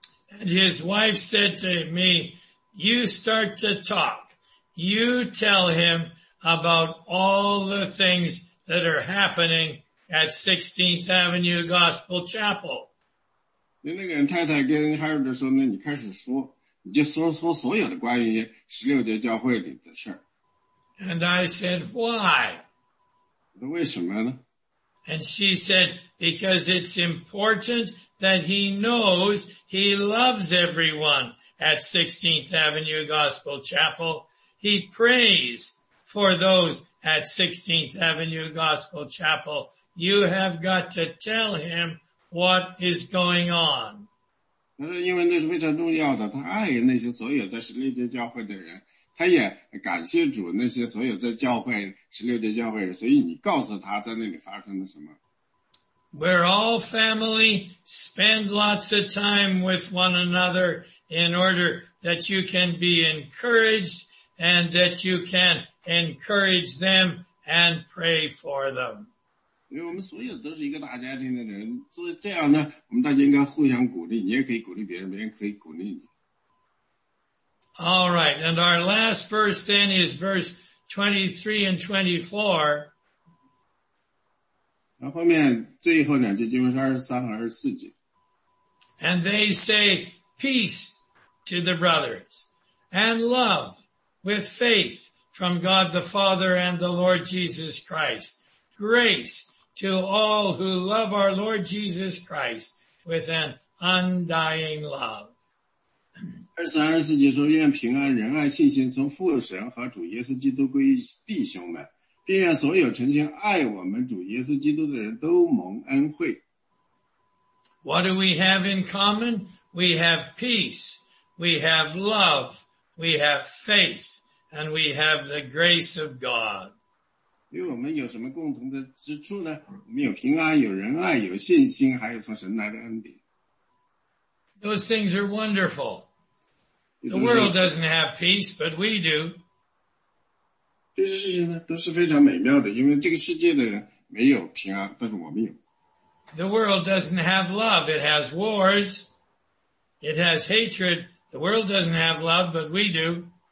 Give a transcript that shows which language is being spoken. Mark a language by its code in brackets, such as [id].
[en] And his wife said to me. You start to talk. You tell him about all the things that are happening at 16th Avenue Gospel Chapel. [zh] 那个人太太跟 Harold 说呢，你开始说，你就说所有的关于十六节教会里的事儿。 [en] And I said, why? [zh] 那为什么呢？ [en] And she said, because it's important that he knows he loves everyone. At 16th Avenue Gospel Chapel, he prays for those at 16th Avenue Gospel Chapel. You have got to tell him what is going on. [zh] 他说因为那是非常重要的，他爱那些所有在十六节教会的人，他也感谢主那些所有在教会十六节教会人，所以你告诉他在那里发生了什么。 [en] We're all family, spend lots of time with one another in order that you can be encouraged and that you can encourage them and pray for them. [zh] 因为我们所有都是一个大家庭的人，所以这样呢，我们大家应该互相鼓励，你也可以鼓励别人，别人可以鼓励你。 [en] All right, and our last verse then is verse 23 and 24. [zh] 然后后面最后两句经文是23和24节。 [en] And they say, peace to the brothers, and love with faith from God the Father and the Lord Jesus Christ. Grace to all who love our Lord Jesus Christ with an undying love. [zh] 23和24节说愿平安仁爱信心从父神和主耶稣基督归于弟兄们。并愿所有诚心爱我们主耶稣基督的人都蒙恩惠。 [en] What do we have in common? We have peace, we have love, we have faith, and we have the grace of God. [zh] 与我们有什么共同的之处呢？我们有平安，有仁爱，有信心，还有从神来的恩典。 [en] Those things are wonderful. The world doesn't have peace, but we do. [zh] 这些事情呢都是非常美妙的，因为这个世界的人没有平安，但是我们有。 [en] The world doesn't have love, it has wars, it has hatred. The world doesn't have love, but we do.